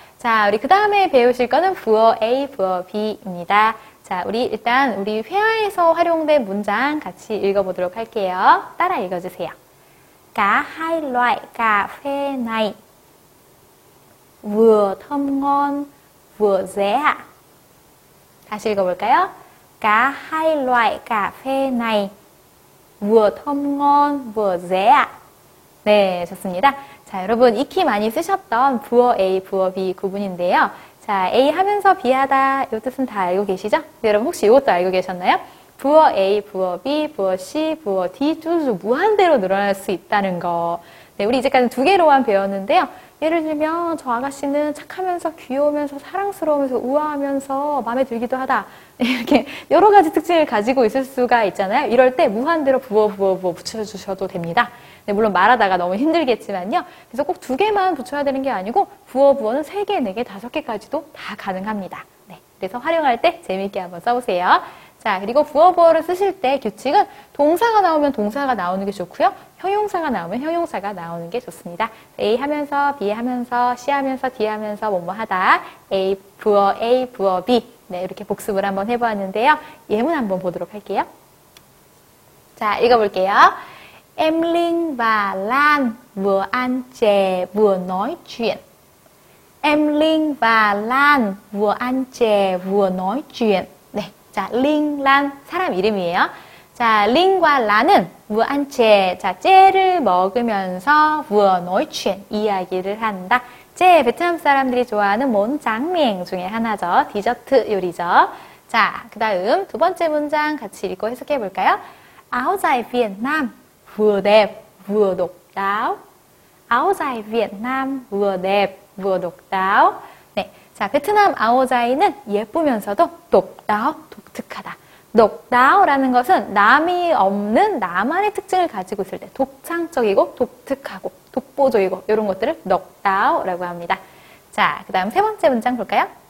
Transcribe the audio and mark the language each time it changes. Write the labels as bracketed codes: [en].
[ko] 자, 우리 그 다음에 배우실 거는 부어 A, 부어 B입니다. 자, 우리 일단 우리 회화에서 활용된 문장 같이 읽어보도록 할게요. 따라 읽어주세요. [vi] 가 하이라이 가 회 나이 vừa thơm ngon vừa rẻ. [ko] 다시 읽어볼까요? [vi] Cả hai loại cà phê này vừa thơm ngon vừa rẻ. [ko] 네, 좋습니다. 자, 여러분 익히 많이 쓰셨던 부어 A, 부어 B 구분인데요. 자, A 하면서 B 하다 이 뜻은 다 알고 계시죠? 네, 여러분 혹시 이것도 알고 계셨나요? 부어 A, 부어 B, 부어 C, 부어 D 쭉쭉 무한대로 늘어날 수 있다는 거. 네, 우리 이제까지는 두 개로만 배웠는데요. 예를 들면 저 아가씨는 착하면서 귀여우면서 사랑스러우면서 우아하면서 마음에 들기도 하다. 이렇게 여러 가지 특징을 가지고 있을 수가 있잖아요. 이럴 때 무한대로 부어 부어 부어 붙여주셔도 됩니다. 네, 물론 말하다가 너무 힘들겠지만요. 그래서 꼭 두 개만 붙여야 되는 게 아니고 부어 부어는 세 개, 네 개, 다섯 개까지도 다 가능합니다. 네, 그래서 활용할 때 재미있게 한번 써보세요. 자, 그리고 부어보어를 쓰실 때 규칙은 동사가 나오면 동사가 나오는 게 좋고요. 형용사가 나오면 형용사가 나오는 게 좋습니다. A 하면서, B 하면서, C 하면서, D 하면서 뭐뭐 하다. A 부어 A, 부어 B. 네, 이렇게 복습을 한번 해보았는데요. 예문 한번 보도록 할게요. 자, 읽어볼게요. [vi] Em Linh và Lan vừa ăn chè vừa nói chuyện. Em Linh và Lan vừa ăn chè vừa nói chuyện. [ko] 네, 자, Linh, Lan, 사람 이름이에요. 자, [vi] Linh và Lan [ko] 은 [vi] vừa ăn chè, [ko] 자, 째를 먹으면서 [vi] vừa nói chuyện, [ko] 이야기를 한다. 째, 베트남 사람들이 좋아하는 몬장밍 중에 하나죠. 디저트 요리죠. 자, 그 다음 두 번째 문장 같이 읽고 해석해 볼까요? [vi] Áo dài Việt Nam vừa đẹp vừa độc đáo. Áo dài Việt Nam vừa đẹp vừa độc đáo. [ko] 네, 자, 베트남 아오자이는 예쁘면서도 독다오, 독특하다. 독다오라는 것은 남이 없는 나만의 특징을 가지고 있을 때 독창적이고 독특하고 독보적이고 이런 것들을 독다오라고 합니다. 자, 그 다음 세 번째 문장 볼까요?